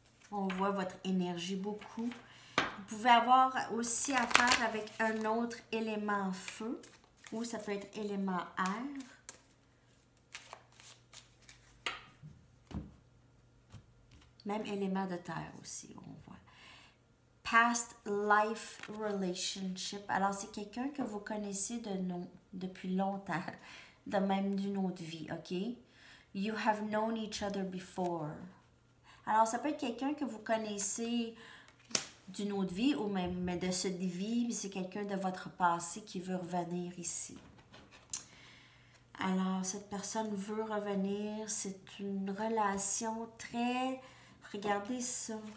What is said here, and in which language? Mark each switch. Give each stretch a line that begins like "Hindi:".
French: On voit votre énergie beaucoup. Vous pouvez avoir aussi affaire avec un autre élément feu, ou ça peut être élément air. Même élément de terre aussi, on voit.
English: Past life relationship.
French: Alors, c'est quelqu'un que vous connaissez depuis longtemps, de même d'une autre vie, OK?
English: You have known each other before.
French: Alors, ça peut être quelqu'un que vous connaissez d'une autre vie ou même mais de cette vie, mais c'est quelqu'un de votre passé qui veut revenir ici. Alors, cette personne veut revenir. C'est une relation très... Regardez ça.